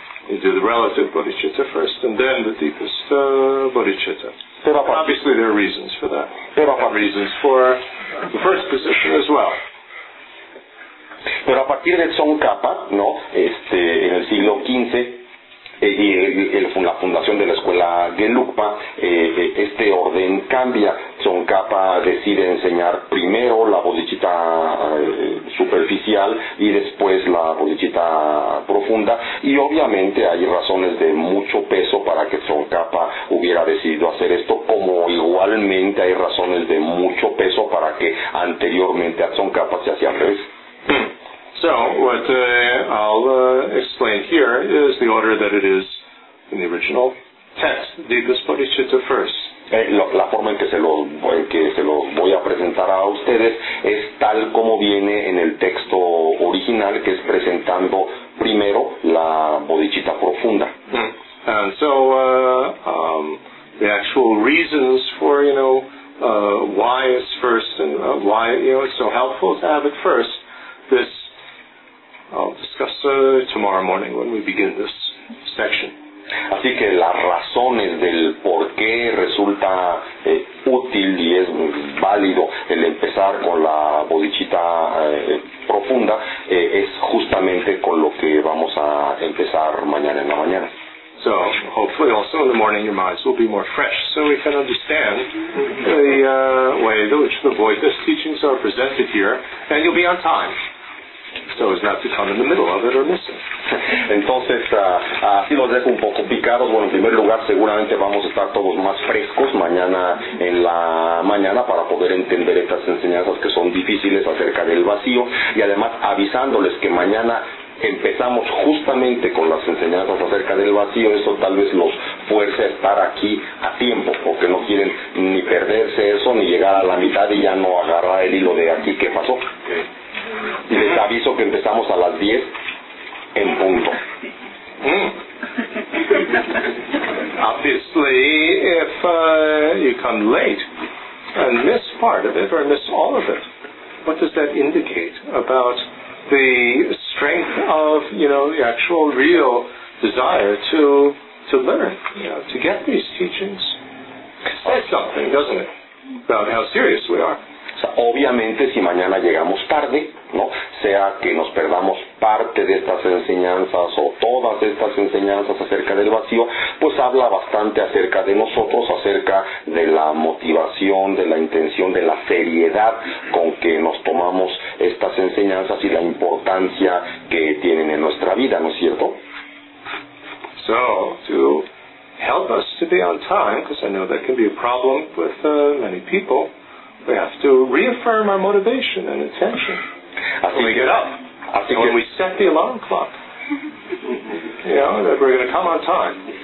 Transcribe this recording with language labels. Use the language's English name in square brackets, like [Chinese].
[English] You do the relative bodhicitta first, and then the deepest bodhicitta. Obviously, there are reasons for that. There are reasons for the first position as well. [Spanish] Pero a partir de Tsongkhapa, no, en el siglo XV. Y la fundación de la escuela Gelugpa, este orden cambia. Tsongkhapa decide enseñar primero la bodichita superficial y después la bodichita profunda, y obviamente hay razones de mucho peso para que Tsongkhapa hubiera decidido hacer esto, como igualmente hay razones de mucho peso para que anteriormente a Tsongkhapa se hacía al revés. [English] So, what I'll explain here is the order that it is in the original text, deepest bodhicitta first. [Spanish] La forma en que se lo voy a presentar a ustedes es tal como viene en el texto original, que es presentando primero la bodhicitta profunda. [English] And so, the actual reasons for, why it's first and why, it's so helpful to have it first, this I'll discuss tomorrow morning when we begin this section. [Spanish] Así que las razones del por qué resulta útil y es válido el empezar con la bodichita profunda es justamente con lo que vamos a empezar mañana en la mañana. [English] So hopefully also in the morning your minds will be more fresh so we can understand the way in which the Buddha's teachings are presented here, and you'll be on time. So as not to come in the middle of it or miss it. [Spanish] Entonces, así los dejo un poco picados. Bueno, en primer lugar, seguramente vamos a estar todos más frescos mañana en la mañana para poder entender estas enseñanzas que son difíciles acerca del vacío. Y además, avisándoles que mañana empezamos justamente con las enseñanzas acerca del vacío, eso tal vez los fuerce a estar aquí a tiempo, porque no quieren ni perderse eso, ni llegar a la mitad y ya no agarrar el hilo de aquí, ¿qué pasó? Y les aviso que empezamos a las 10 en punto. [English] Obviously, if you come late and miss part of it or miss all of it, what does that indicate about the strength of, the actual real desire to learn, to get these teachings? Says something, doesn't it, about how serious we are? [Spanish] Obviamente, si mañana llegamos tarde, ¿no? Sea que nos perdamos parte de estas enseñanzas o todas estas enseñanzas acerca del vacío, pues habla bastante acerca de nosotros, acerca de la motivación, de la intención, de la seriedad con que nos tomamos estas enseñanzas y la importancia que tienen en nuestra vida, ¿no es cierto? [English] So, to help us to be on time, because I know that can be a problem with many people, we have to reaffirm our motivation and intention. [Spanish] Así [English] when we [Spanish] que, [English] get up, [Spanish] así [English] when we set the alarm clock, that we're going to come on time.